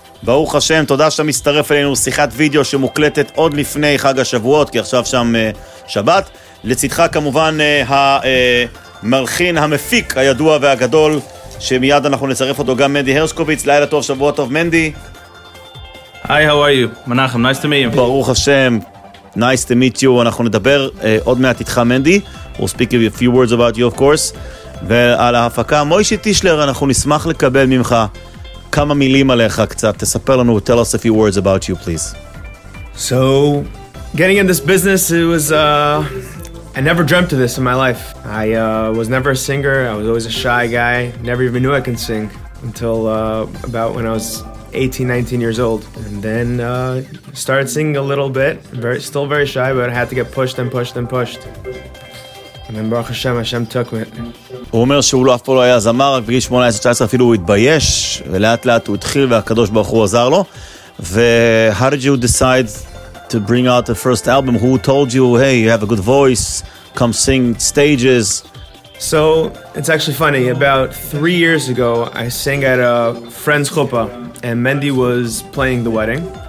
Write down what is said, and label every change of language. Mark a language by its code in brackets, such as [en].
[he] ברוך השם, תודה שאתה מסתרף אלינו. שיחת וידאו שמוקלטת עוד לפני חג השבועות, כי עכשיו שם שבת. לצדך כמובן המלחין, המפיק הידוע והגדול, שמיד אנחנו נצרף אותו גם מנדי הרשקוביץ. לילה טוב, שבוע טוב, מנדי. [en] היי, how are you? מנחם, nice to meet you. [he] ברוך השם, [en] nice to meet you. [he] אנחנו נדבר עוד מעט איתך, מנדי. [en] We'll speak a few words about you, of course. [he] ועל ההפקה, מוישי טישלר, אנחנו נשמח לקבל ממך כמה מילים עליך קצת. תספר לנו, [en] tell us a few words about you, please. So, getting in this business, it was... I never dreamt of this in my life. I was never a singer. I was always a shy guy. Never even knew I could sing until about when I was 18, 19 years old. And then started singing a little bit. Still very shy, but I had to get pushed and pushed and pushed. And then Baruch Hashem, Hashem took me. [he] הוא אומר שהוא לא אף פעם לא היה זמר, רק בגיל 18-19 אפילו הוא התבייש, ולאט לאט הוא התחיל והקדוש ברוך הוא עזר לו. [en] How did you decide to bring out the first album? Who told you, hey, you have a good voice, come sing stages? So, it's actually funny, about 3 years ago, I sang at a friend's chuppah, and Mendy was playing the wedding.